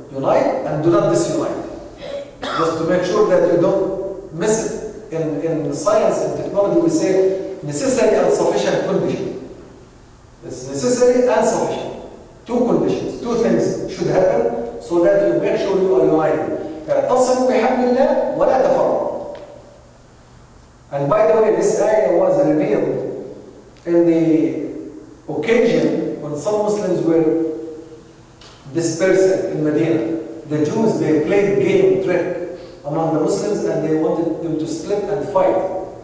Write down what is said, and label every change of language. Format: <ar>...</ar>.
<en>Unite and do not disunite. Just to make sure that you don't miss it. In science and technology, we say necessary and sufficient condition. It's necessary and sufficient. Two conditions, two things should happen so that you make sure you are united.</en> <ar>اعتصموا بحبل الله ولا تفرقوا.</ar> <en>And by the way, this ayah was revealed in the occasion when some Muslims were dispersed in Medina. The Jews, they played game trick among the Muslims and they wanted them to split and fight.</en>